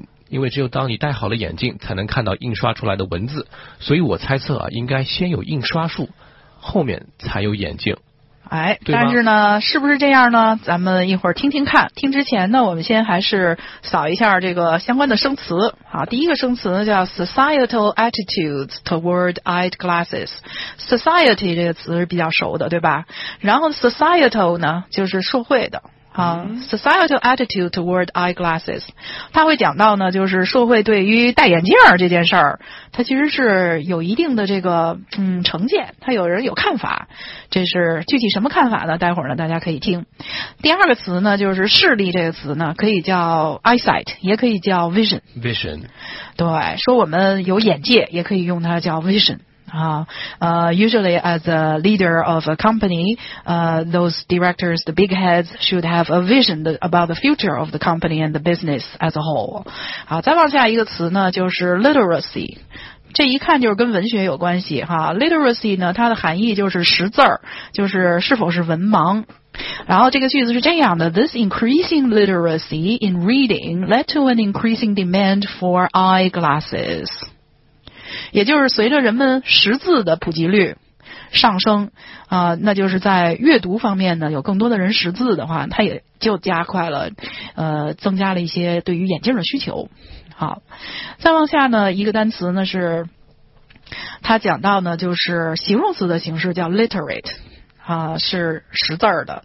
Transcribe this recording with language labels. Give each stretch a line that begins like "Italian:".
Chinese: 因为只有当你戴好了眼镜，才能看到印刷出来的文字，所以我猜测啊，应该先有印刷术，后面才有眼镜。哎，但是呢是不是这样呢？咱们一会儿听听看。听之前呢，我们先还是扫一下这个相关的生词。好，第一个生词呢叫
English: societal attitudes toward eyed glasses。
Chinese: society 这个词是比较熟的，对吧？然后 societal 呢就是社会的啊。
English: societal attitude toward eye glasses，
Chinese: 他会讲到呢就是社会对于戴眼镜这件事儿，他其实是有一定的这个成见，他有人有看法。这是具体什么看法呢？待会儿呢大家可以听。第二个词呢就是视力，这个词呢可以叫 eyesight， 也可以叫 vision。
English: vision，
Chinese: 对，说我们有眼界也可以用它叫
English: vision usually as a leader of a company, those directors, the big heads, should have a vision about the future of the company and the business as a whole.
Chinese: 好，再往下一个词呢，就是 literacy。这一看就是跟文学有关系哈。 literacy 呢，它的含义就是识字儿，就是是否是文盲。然后这个句子是这样的
English: ,this increasing literacy in reading led to an increasing demand for eyeglasses.
Chinese: 也就是随着人们识字的普及率上升啊，那就是在阅读方面呢有更多的人识字的话，它也就加快了增加了一些对于眼镜的需求。好，再往下呢一个单词呢是它讲到呢就是形容词的形式叫 literate 啊，是识字的。